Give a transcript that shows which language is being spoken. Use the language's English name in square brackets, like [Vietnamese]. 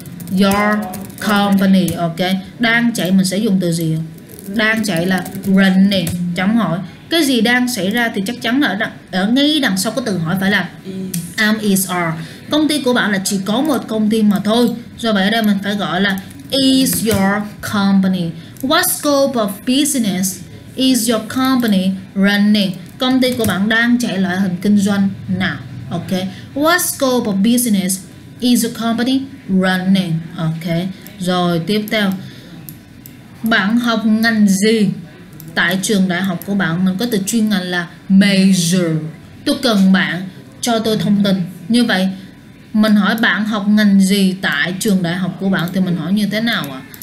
[English] Your company, [Vietnamese] ok. Đang chạy mình sẽ dùng từ gì? Đang chạy là running, chấm hỏi. Cái gì đang xảy ra thì chắc chắn là ở ngay đằng sau có từ hỏi phải là am, is, are. Công ty của bạn là chỉ có một công ty mà thôi. Do vậy ở đây mình phải gọi là [English] is your company. What scope of business is your company running? [Vietnamese] Công ty của bạn đang chạy loại hình kinh doanh nào? [English] Ok. What scope of business is your company running? [Vietnamese] Ok. Rồi tiếp theo. Bạn học ngành gì tại trường đại học của bạn? Mình có từ chuyên ngành là major. Tôi cần bạn cho tôi thông tin. Như vậy mình hỏi bạn học ngành gì tại trường đại học của bạn thì mình hỏi như thế nào ạ?